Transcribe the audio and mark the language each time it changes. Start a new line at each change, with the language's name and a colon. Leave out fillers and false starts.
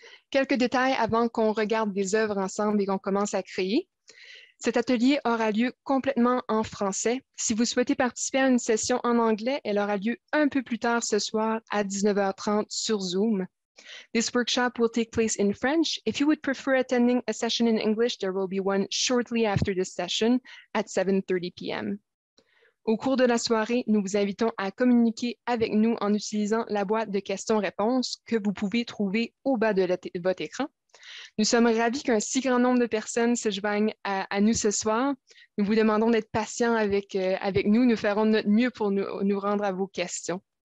French: Quelques détails avant qu'on regarde des œuvres ensemble et qu'on commence à créer. Cet atelier aura lieu complètement en français. Si vous souhaitez participer à une session en anglais, elle aura lieu un peu plus tard ce soir à 19h30 sur Zoom.
English: This workshop will take place in French. If you would prefer attending a session in English, there will be one shortly after this session at 7:30 p.m.
French: Au cours de la soirée, nous vous invitons à communiquer avec nous en utilisant la boîte de questions-réponses que vous pouvez trouver au bas de votre écran. Nous sommes ravis qu'un si grand nombre de personnes se joignent à nous ce soir. Nous vous demandons d'être patients avec nous. Nous ferons notre mieux pour nous rendre à vos questions.